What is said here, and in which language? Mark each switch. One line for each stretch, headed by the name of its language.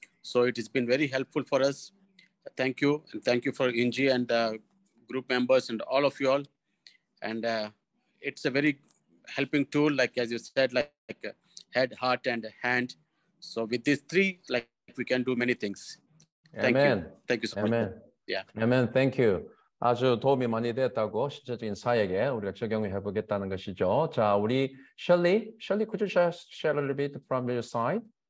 English: So it has been very helpful for us. Thank you. And thank you for Inji and the group members and all of you all. And it's a very helping tool, like as you said, like head, heart, and hand. So with these three, like we can do many things. Thank Amen. You. Thank you so Amen. Much. Yeah. Amen. Thank you.
Korean: 아주 도움이 많이 되었다고 실제적인 사역에 우리가 적용을 해보겠다는 것이죠. 자, 우리
English: Shelly, Shelly, could you share a little bit from your side?